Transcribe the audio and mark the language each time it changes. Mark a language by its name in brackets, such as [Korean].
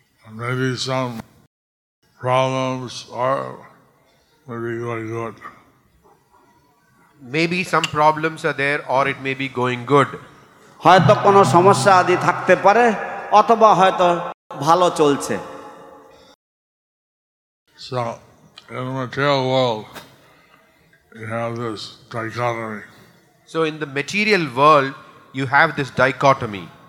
[English] Maybe some problems are maybe going good. Maybe some problems are there or it may be going good. [Bangla] হয়তো কোনো সমস্যা আদি থাকতে পারে অথবা হয়তো ভালো চলছে. [English] So, in the material world, you have this dichotomy. So, in the material world, you have this dichotomy.